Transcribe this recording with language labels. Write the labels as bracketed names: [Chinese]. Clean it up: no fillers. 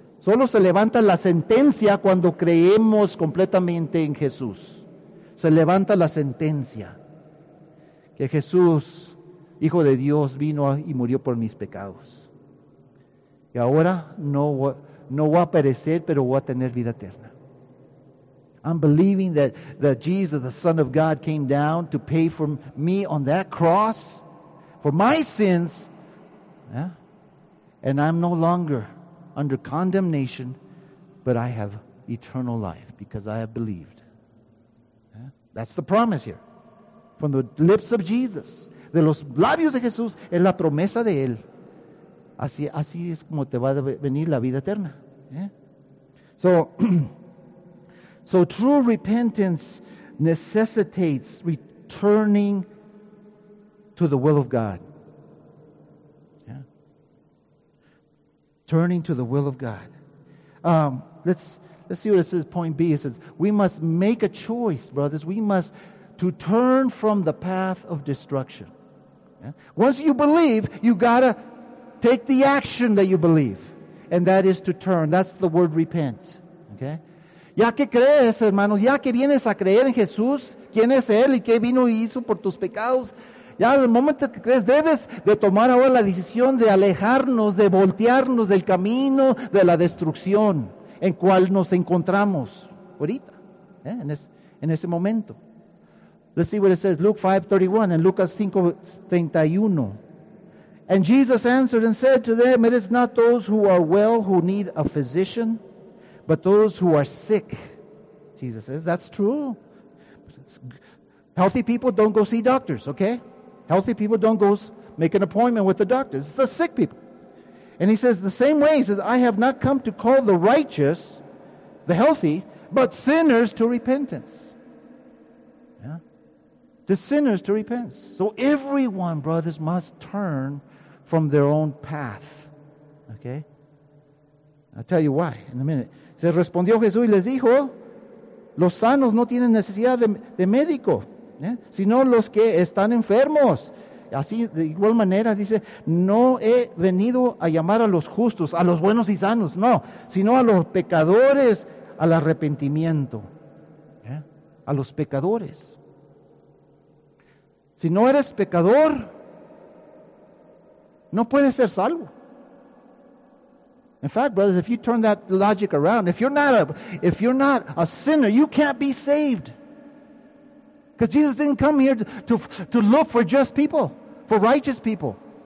[Spanish] Solo se levanta la sentencia cuando creemos completamente en Jesús. Se levanta la sentencia que Jesús, Hijo de Dios, vino y murió por mis pecados. Y ahora no voy a perecer, pero voy a tener vida eterna. [English] I'm believing that Jesus, the Son of God, came down to pay for me on that cross for my sins. And I'm no longer under condemnation, but I have eternal life because I have believed. That's the promise here. From the lips of Jesus, [Spanish] de los labios de Jesús, es la promesa de Él. Así es como te va a venir la vida eterna. [English] So true repentance necessitates returning to the will of God. Turning to the will of God. Let's see what it says, point B. It says, we must make a choice, brothers. We must to turn from the path of destruction. Yeah? Once you believe, you gotta take the action that you believe. And that is to turn. That's the word repent. Okay? [Spanish] Ya que crees, hermanos, ya que vienes a creer en Jesús, quién es Él y qué vino y hizo por tus pecados, ya en el momento que crees, debes de tomar ahora la decisión de alejarnos, de voltearnos del camino de la destrucción en cual nos encontramos ahorita, en ese momento. [English] Let's see what it says, Luke 5:31 and Lucas 5:31. "And Jesus answered and said to them, it is not those who are well who need a physician, but those who are sick." Jesus says, that's true. Healthy people don't go see doctors, okay? Healthy people don't go make an appointment with the doctors. It's the sick people. And he says, the same way, he says, I have not come to call the righteous, the healthy, but sinners to repentance. Yeah? The sinners to repentance. So everyone, brothers, must turn from their own path. Okay? I'll tell you why in a minute. [Spanish] Se respondió Jesús y les dijo, los sanos no tienen necesidad de médico, ¿eh? Sino los que están enfermos. Así, de igual manera, dice, no he venido a llamar a los justos, a los buenos y sanos, no, sino a los pecadores al arrepentimiento, ¿eh? A los pecadores. Si no eres pecador, no puedes ser salvo. [English] In fact, brothers, if you turn that logic around, if you're not a sinner, you can't be saved. Because Jesus didn't come here to look for just people, for righteous people.